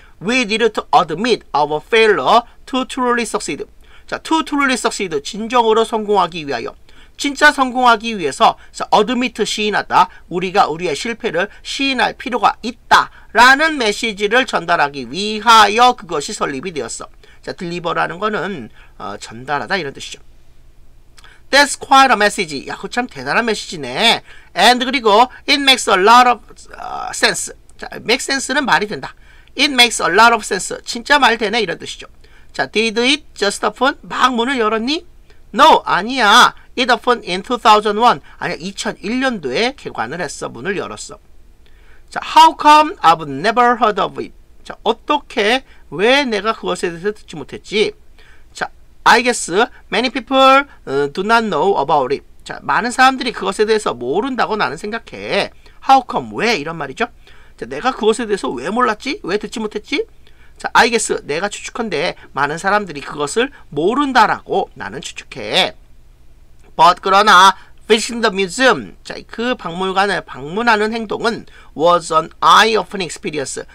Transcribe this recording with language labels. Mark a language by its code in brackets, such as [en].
[en] We needed to admit our failure to truly succeed. [ko] 자, [en] to truly succeed, [ko] 진정으로 성공하기 위하여. 진짜 성공하기 위해서 admit, 시인하다, 우리가 우리의 실패를 시인할 필요가 있다 라는 메시지를 전달하기 위하여 그것이 설립이 되었어. 자, deliver라는 거는 전달하다 이런 뜻이죠. [en] That's quite a message. [ko] 야, 그거 참 대단한 메시지네. [en] And [ko] 그리고 [en] it makes a lot of sense. 자, make sense는 [ko] 말이 된다. [en] It makes a lot of sense. [ko] 진짜 말 되네 이런 뜻이죠. [en] 자, did it just open? [ko] 막 문을 열었니? [en] No, [ko] 아니야. [en] It opened in 2001. [ko] 아니야, 2001년도에 개관을 했어. 문을 열었어. [en] 자, how come I've never heard of it? [ko] 자, 어떻게, 왜 내가 그것에 대해서 듣지 못했지? [en] 자, I guess many people do not know about it. [ko] 자, 많은 사람들이 그것에 대해서 모른다고 나는 생각해. [en] How come, [ko] 왜 이런 말이죠? 자, 내가 그것에 대해서 왜 몰랐지? 왜 듣지 못했지? 자, [en] I guess, [ko] 내가 추측한데 많은 사람들이 그것을 모른다라고 나는 추측해. [en] But [ko] 그러나, [en] visiting the museum, 자, [ko] 그 박물관을 방문하는 행동은 [en] was an eye-opening experience.